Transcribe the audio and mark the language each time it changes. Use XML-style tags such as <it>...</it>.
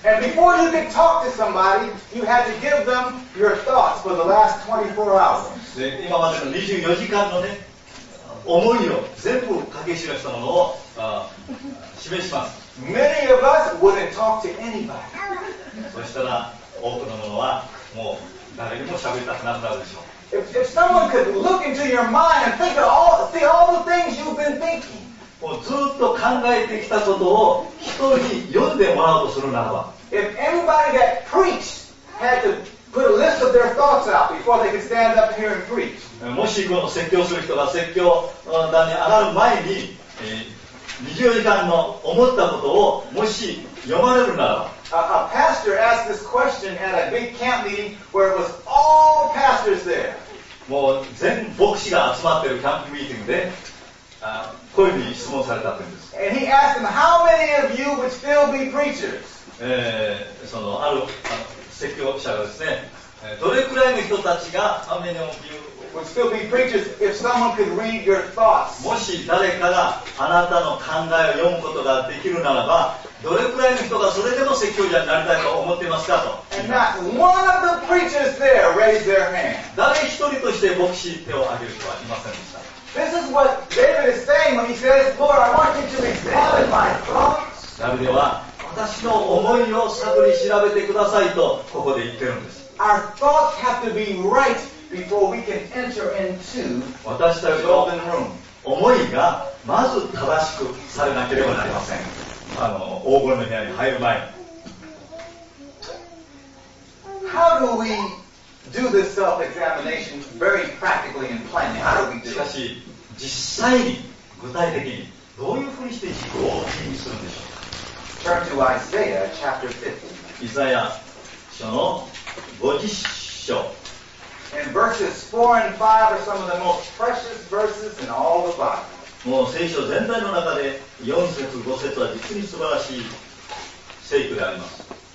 <en>And before you could talk to somebody, you had to give them your thoughts for the last 24 hours.</en> <ja>で、今までの24時間のね、思いを全部書き記したものを、示します。</ja> <en>Many of us wouldn't talk to anybody.</en> <ja>そしたら多くの者はもう誰にも喋りたくなったでしょう。</ja> <en>If someone could look into your mind and think of all, see all the things you've been thinking.</en> <ja>もうずっと考えてきたことを人に読んでもらおうとするならば。</ja> <en>If anybody that preached had to put a list of their thoughts out before they could stand up here and preach.</en> <ja>もしこの説教する人が説教壇に上がる前に、24時間の思ったことをもし読まれるならば、</ja> <en>A pastor asked this question at a big camp meeting where it was all pastors there.</en> <ja>もう全牧師が集まっているキャンプミーティングで、こういうふうに質問されたというんです。</ja> <en>And he asked them, how many of you would still be preachers?</en> <ja>そのある説教者がですね、どれくらいの人たちが、</ja> <en>how many of you? Would still be preachers if someone could read your thoughts.</en> <ja>もし誰かがあなたの考えを読むことができるならば、どれくらいの人がそれでも説教者になりたいと思っていますかと。</ja> <en>And not one of the preachers there raised their hand.</en> <ja>誰一人として牧師手を挙げる人はいませんでした。</ja> <en>This is what David is saying when he says, Lord, I want you to examine my thoughts.</en> <ja>ダビデは私の思いを探り調べてくださいとここで言ってるんです。</ja> <en>Our thoughts have to be right. Before we can enter into the open room.</en> <ja>思いがまず正しくされなければなりません。あの、大声の部屋に入る前に。</ja> <en>How do we do this self-examination very practically and plainly? How do we do?</en> <ja>しかし、実際に具体的にどういうふうにして自己を気にするんでしょうか。</ja> <en>Turn to Isaiah chapter 50.</en> <ja>イザヤ書の50章。</ja> <en>And verses 4 and 5 are some of the most precious verses in all the Bible.</en> <ja>もう聖書全体の中で4節5節は実に素晴らしい聖句であります。</ja>